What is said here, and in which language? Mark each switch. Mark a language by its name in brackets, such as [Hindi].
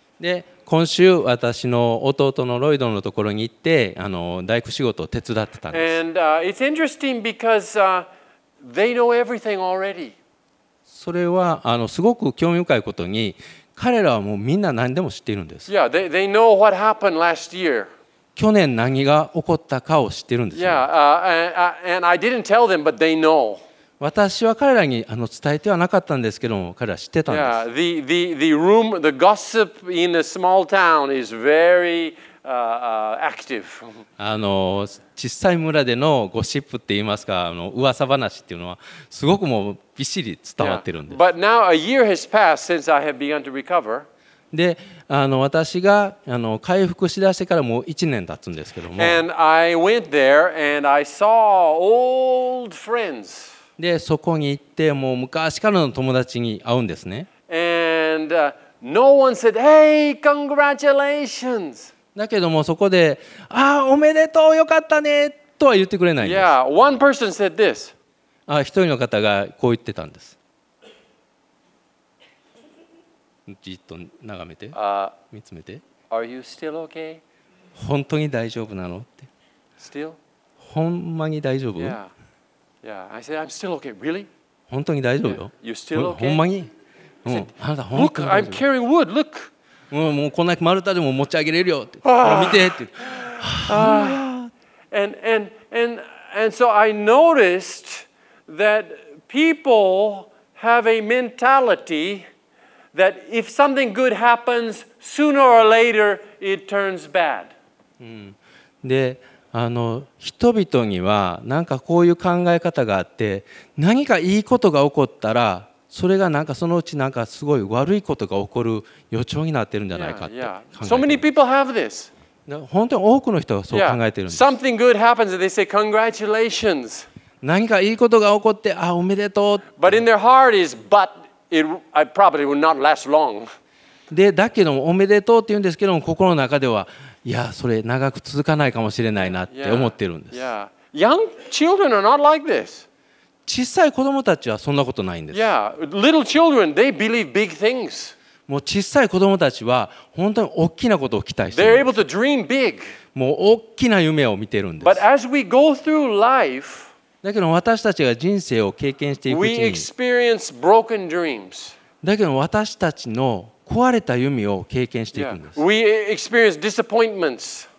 [Japanese] で、今週私の弟のロイドのところに行って、大工仕事を手伝ってたんです。 [English] And it's interesting because, They know everything already. [Japanese] それはすごく興味深いことに、彼らはもうみんな何でも知っているんです。 [English] Yeah, they know what happened last year. [Japanese] 去年何が起こったかを知っているんですよ。 [English] Yeah, and I didn't tell them, but they know. [Japanese] 私は彼らに伝えてはなかったんですけども、彼ら知ってたんです。 [English] Yeah, the room, the gossip in a small town is very. Active. [Japanese] 小さい村でのゴシップって言いますか、噂話っていうのはすごくもうびっしり伝わってるんです。 [English] Yeah. But now a year has passed since I have begun to recover. [Japanese] で、私が回復しだしてからもう1年経つんですけども。 [English] And I went there and I saw old friends. [Japanese] で、そこに行ってもう昔からの友達に会うんですね。 [English] And no one said, Hey, congratulations! [Japanese] だけどもそこで、ああおめでとうよかったねとは言ってくれないんです。 [English] Yeah, one person said this. [Japanese] 一人の方がこう言ってたんです。じっと眺めて、見つめて。 [English] Are you still okay? [Japanese] 本当に大丈夫なのって。 [English] Still? [Japanese] ほんまに大丈夫？ [English] Yeah. Yeah. I said I'm still okay. Really? [Japanese] 本当に大丈夫よ。 [English] Yeah. You still okay? [Japanese] ほんまに。うん。あなた本当に。 [English] Look, I'm carrying wood. Look. [Japanese] もうこんな丸太でも持ち上げれるよって、ほら見てって。 [English] And so I noticed that people have a mentality that if something good happens, sooner or later it turns bad. [Japanese] で、人々にはなんかこういう考え方があって、何かいいことが起こったら、それがなんかそのうちなんかすごい悪いことが起こる予兆になってるんじゃないかって考えてるんです。本当に多くの人がそう考えてるんです。 [English] Something good happens and they say congratulations. [Japanese] 何かいいことが起こって、あ、おめでとう。 [English] But in their heart is, but it probably will not last long. [Japanese] で、だけどもおめでとうって言うんですけども、心の中では、いや、それ長く続かないかもしれないなって思ってるんです。 [English] Yeah. Young children are not like this. [Japanese] 小さい子供たちはそんなことないんです。 [English] Yeah, little children, they believe big things. [Japanese] もう小さい子供たちは本当に大きなことを期待している。 [English] They're able to dream big. [Japanese] もう大きな夢を見ているんです。 [English] But as we go through life, [Japanese] だけど私たちが人生を経験していくうちに、 [English] We experience broken dreams. [Japanese] だけど私たちの壊れた夢を経験していくんです。 [English] Yeah. We experience disappointments.